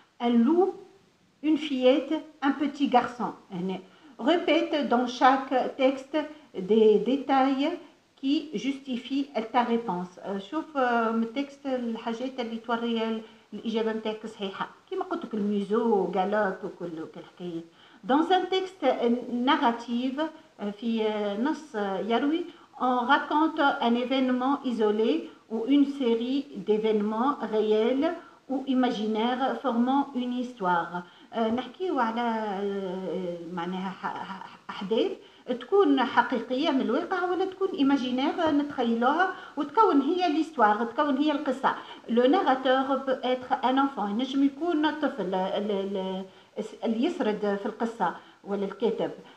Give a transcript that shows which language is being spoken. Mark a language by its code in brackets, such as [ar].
[fr] Un loup, une fillette, un petit garçon. Répète dans chaque texte des détails qui justifient ta réponse. [ar] شوف التكست الحاجات اللي توري الإجابة نتاعك صحيحة، كيما قلت لك الميزو وقالات وكل الحكايات. [fr] Dans un texte narratif, [ar] في نص يروي, [fr] on raconte un événement isolé ou une série d'événements réels ou imaginaires formant une histoire. [ar] نحكيو على معناها أحداث تكون حقيقية من الواقع ولا تكون إيماجينير نتخيلوها وتكون هي ليستوار، تكون هي القصة. [fr] لو ناراتور بو إتر أن أنفون، [ar] ينجم يكون طفل اللي يسرد في القصة ولا الكاتب.